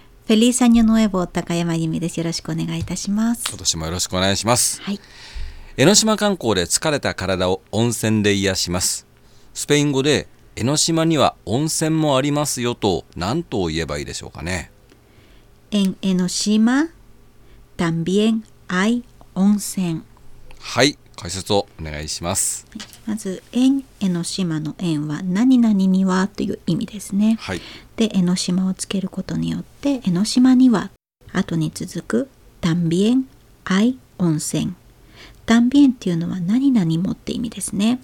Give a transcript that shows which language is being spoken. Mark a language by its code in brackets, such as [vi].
[ja] フェリーサニョノエボ高山由美です。よろしくお願いいたします。今年もよろしくお願いします。はい、江ノ島観光で疲れた体を温泉で癒します。スペイン語で江ノ島には温泉もありますよと何と言えばいいでしょうかね。 [es] En Enoshima también hay 温泉。 [ja] はい、解説をお願いします。まず [es] En Enoshima [ja] の En は何々にはという意味ですね。はい、で江ノ島をつけることによって江ノ島には後に続く [es] también hay [ja] 温泉。 también っていうのは何々もって意味ですね。